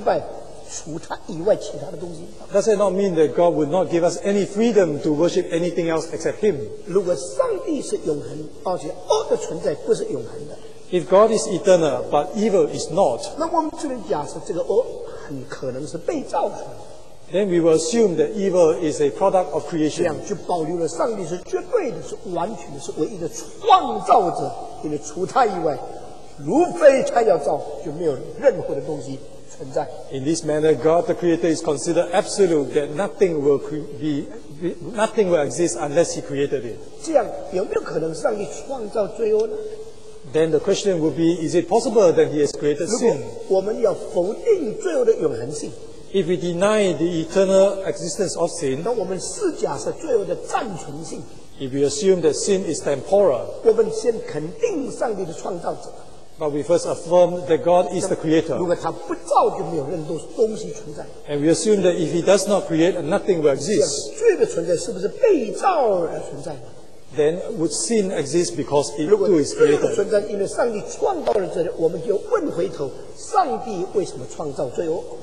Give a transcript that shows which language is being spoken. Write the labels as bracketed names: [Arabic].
[Chinese] 这样，这位上帝岂不是不给人留下任何空间，就有别的选择，有别的自由去爱和的敬拜除他以外其他的东西？ [English] Does that not mean that God would not give us any freedom to worship anything else except him? [Chinese] 如果上帝是永恒，而且恶的存在不是永恒的。 [English] If God is eternal, but evil is not, [Chinese] 那我们只能假设这个恶很可能是被造的, [English] then we will assume that evil is a product of creation. [Chinese] 这样就保留了上帝是绝对的，是完全的，是唯一的创造者。因为除他以外，除非他要造，就没有任何的东西存在。 [English] In this manner, God the Creator is considered absolute, that nothing will exist unless he created it. [Chinese] 这样有没有可能上帝创造罪恶呢？ [English] Then the question would be, is it possible that he has created sin? [Chinese] 如果我们要否定罪恶的永恒性, [English] if we deny the eternal existence of sin, [Chinese] 那我们试假设罪恶的暂存性, [English] if we assume that sin is temporal, [Chinese] 我们先肯定上帝的创造者, [English] but we first affirm that God is the creator, [Chinese] 如果他不造就没有任何东西存在, [English] and we assume that if he does not create, nothing will exist. [Chinese] 罪的存在是不是被造而存在? [English] Then would sin exist because it too is created? [Chinese] 如果罪的存在，因为上帝创造了罪，我们就问回头：上帝为什么创造罪哦？